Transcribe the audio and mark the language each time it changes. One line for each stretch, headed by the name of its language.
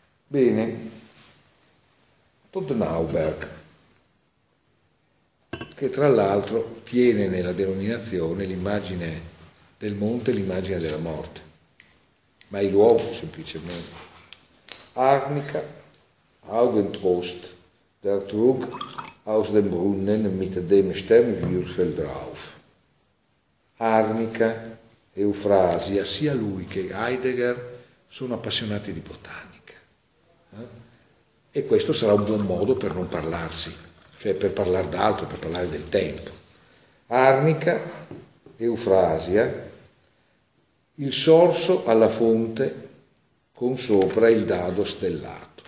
Italian: Bene, Todenauberg, che tra l'altro tiene nella denominazione l'immagine del monte e l'immagine della morte, ma il luogo semplicemente.
German: Arnica, Augentrost, der Trug aus dem Brunnen mit dem Sternwürfel drauf.
Italian: Arnica, Eufrasia, sia lui che Heidegger sono appassionati di botanica. E questo sarà un buon modo per non parlarsi, cioè per parlare d'altro, per parlare del tempo. Arnica, Eufrasia, il sorso alla fonte con sopra il dado stellato.